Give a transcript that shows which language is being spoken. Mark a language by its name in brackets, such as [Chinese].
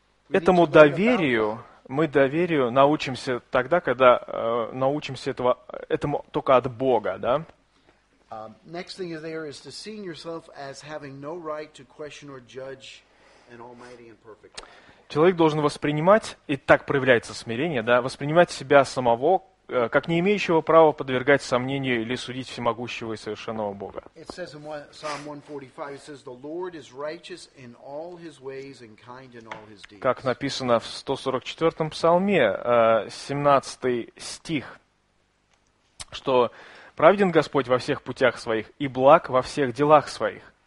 [Russian] Этому доверию мы доверию научимся тогда, когда научимся этому только от Бога, да? [English] Next thing is there is to see yourself as having no right to question or judge an almighty and perfect. [Russian] Человек должен воспринимать, и так проявляется смирение, да, воспринимать себя самого как не имеющего права подвергать сомнению или судить всемогущего и совершенного Бога. [English] It says in Psalm 145, it says the Lord is righteous in all his ways and kind in all his deeds. [Russian] Как написано в 144-м псалме, 17-й стих, что праведен Господь во всех путях своих и благ во всех делах своих.